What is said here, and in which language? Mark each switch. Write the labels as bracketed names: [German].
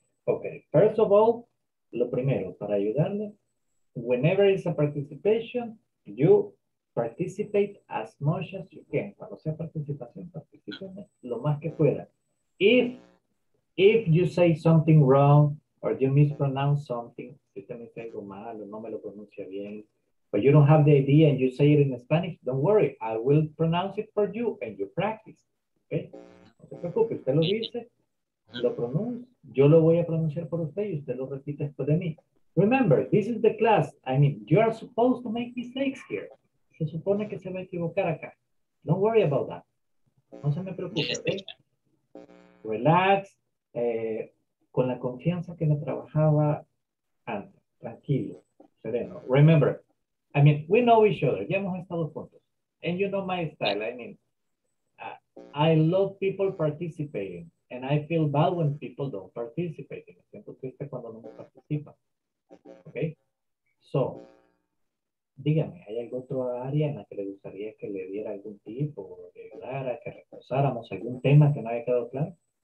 [English] Okay, first of all, [Spanish] lo primero, para ayudarle, [English] whenever it's a participation, you participate as much as you can. [Spanish] Cuando sea participación, participe lo más que pueda. [English] If you say something wrong or you mispronounce something, [Spanish] si usted me dice algo mal o no me lo pronuncia bien, [English] but you don't have the idea and you say it in Spanish, don't worry, I will pronounce it for you and you practice. [Spanish] Okay? No se preocupe, usted lo dice. Lo pronuncio, yo lo voy a pronunciar por usted y usted lo repite después de mí. [English] Remember, this is the class. I mean, you are supposed to make mistakes here. [Spanish] Se supone que se va a equivocar acá. [English] Don't worry about that. [Spanish] No se me preocupe. [English] Okay? Relax. [Spanish] Con la confianza que me trabajaba antes. Tranquilo, sereno. [English] Remember, I mean, we know each other. [Spanish] Ya hemos estado juntos. [English] And you know my style. I mean, I love people participating. And I feel bad when people don't participate. [Spanish] Me siento triste cuando no me participan. Okay? So, dígame, ¿hay alguna otra área en la que le gustaría que le diera algún tip o que hablara, que reforzáramos algún tema que no haya quedado claro?